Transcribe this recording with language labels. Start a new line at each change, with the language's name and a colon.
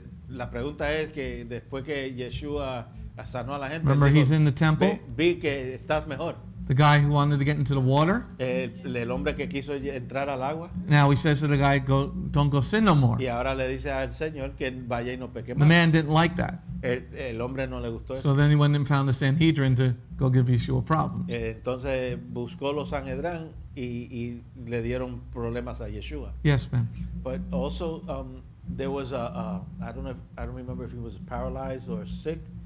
Spanish: La pregunta es que después que Yeshua sanó a la gente,
English: remember, he's in the temple.
Spanish: Vi que estás mejor.
English: The guy who wanted to get into the water.
Spanish: El hombre que quiso entrar al agua.
English: Now he says to the guy, go, don't go sin no more.
Spanish: Y ahora le dice al Señor que vaya y no peque más.
English: The man didn't like that.
Spanish: El hombre no le gustó.
English: So then he went and found the Sanhedrin to go give Yeshua problems.
Spanish: Entonces buscó los Sanhedrin y le dieron problemas a Yeshua.
English: Yes, man. But also, there was a, I don't remember if he was paralyzed or sick.